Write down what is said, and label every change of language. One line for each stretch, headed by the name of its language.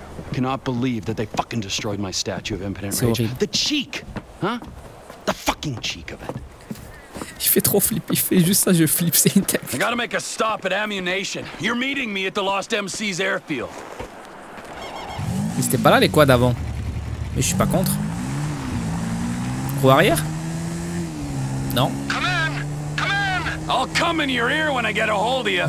English: I cannot believe that they fucking destroyed my statue of impotent rage. Horrible. The cheek, huh? The fucking cheek of it.
French: Il fait trop flipper, il fait juste ça, je flippe, c'est une tête.
English: I gotta make a stop at ammunition. You're meeting me at the Lost MC's airfield.
French: Mais c'était pas là les quads avant. Mais je suis pas contre. Arrière? Non.
English: Come in. I'll come in your ear when I get a hold of you.